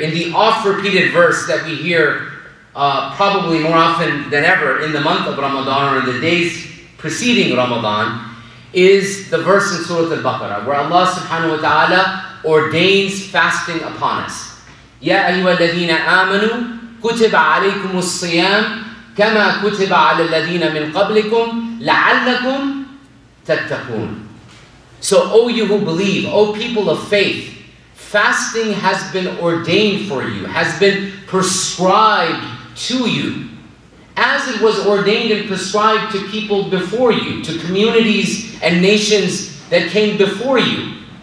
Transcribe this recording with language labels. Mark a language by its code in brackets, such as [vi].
[en] In the oft-repeated verse that we hear probably more often than ever in the month of Ramadan or in the days preceding Ramadan, is the verse in Surah Al-Baqarah where Allah subhanahu wa ta'ala ordains fasting upon us. [ar] Ya ayyuhalladhina amanu kutiba alaykumus siyam كما كتب على الذين من قبلكم لعلكم تتقون. [en] So, O you who believe, O people of faith, fasting has been ordained for you, has been prescribed to you, as it was ordained and prescribed to people before you, to communities and nations that came before you.